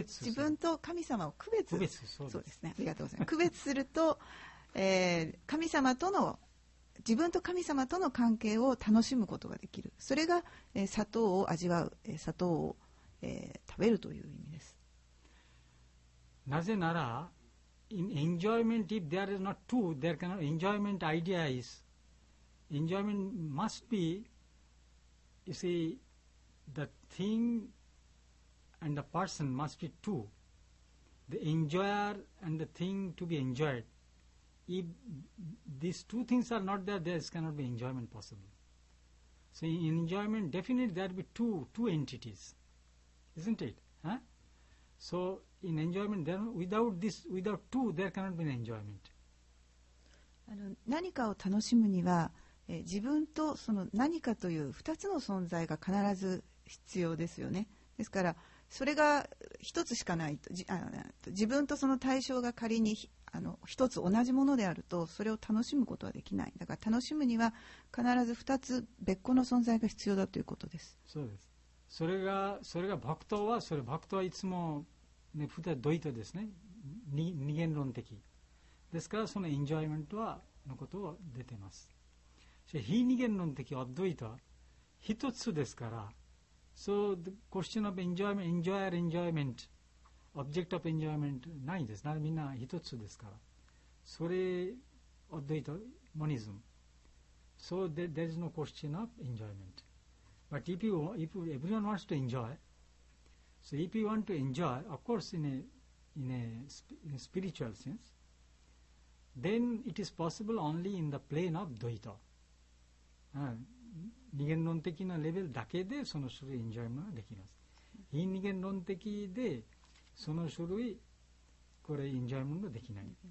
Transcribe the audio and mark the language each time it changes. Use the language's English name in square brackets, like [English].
[Japanese] 自分と神様を区別、区別、そうですね、ありがとうございます。区別すると、神様との、自分と神様との関係を楽しむことができる、それが、砂糖を味わう、砂糖を、食べるという意味です。なぜなら [English] In enjoyment, if there is not two, there cannot enjoyment idea is, enjoyment must be, you see, the thing and the person must be two, the enjoyer and the thing to be enjoyed. If these two things are not there, there cannot be enjoyment possible. So in enjoyment, definitely there will be two entities, isn't it? Huh? So,In enjoyment, then without this, without two, there cannot be enjoyment. [Japanese] あの、何かを楽しむには、自分とその何かという2つの存在が必ず必要ですよね。ですから、それが1つしかないと、自分とその対象が仮に1つ同じものであると、それを楽しむことはできない。だから楽しむには必ず2つ別個の存在が必要だということです。そうです。それが僕とは、それ僕とはいつも。ね、普段ドイツですね、二元論的ですから、そのエンジョイメントはのことを出てます。非二元論的アドイツは一つですから、 [English] So the question of enjoyment, enjoyer, enjoyment, object of enjoyment, [Japanese] ないです。なんでみんな一つですから。それ、アドゥイタ、モニズム。 [English] So there is no question of enjoyment. But if everyone wants to enjoy, so if you want to enjoy, of course in a spiritual sense, then it is possible only in the plane of dvaita. [Japanese] 二元論的なレベルだけでその種類エンジョイメントができます。非二元論的でその種類これエンジョイメントできない。